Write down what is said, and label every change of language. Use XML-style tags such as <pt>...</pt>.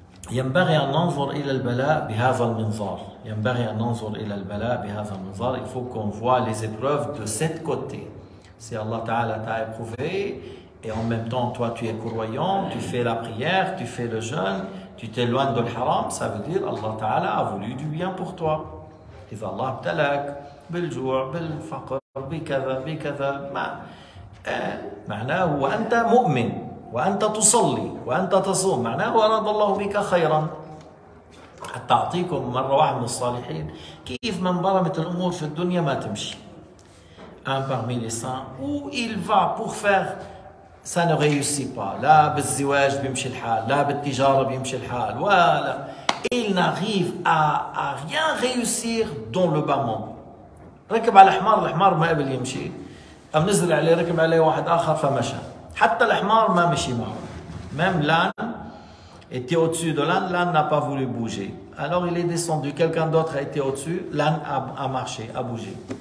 <ar>ينبغي أن ننظر إلى البلاء بهذا المنظار. ينبغي أن ننظر إلى البلاء بهذا المنظار.</ar> <fr>Il faut qu'on voit les épreuves de cet côté. Si Allah Ta'ala t'a éprouvé, et en même temps toi tu es croyant, tu fais la prière, tu fais le jeûne, tu t'éloignes de l'haram, ça veut dire Allah Ta'ala a voulu du bien pour toi.</fr> <ar>إذا الله ابتلاك بالجوع بالفقر بكذا بكذا ما معناه هو أنت مؤمن وأنت تصلي وأنت تصوم، معناه أراد الله بك خيرا. حتى أعطيكم مرة واحد من الصالحين كيف من برمت الأمور في الدنيا ما تمشي.</ar> <fr>Un parmi les saints où il va pour faire ça ne réussit pas.</fr> <ar>لا بالزواج بيمشي الحال، لا بالتجارة بيمشي الحال، ولا</ar> <fr>il n'arrive à rien réussir dans le bas monde.</fr> <ar>ركب على الحمار، الحمار ما قبل يمشي. أم نزل عليه ركب عليه واحد آخر فمشى. حتى الحمار ما مشي معه. ميم لان</ar> <fr>était au-dessus de l'âne, l'âne n'a pas voulu bouger. Alors il est descendu, quelqu'un d'autre a été au-dessus, l'âne a marché, a bougé.</fr>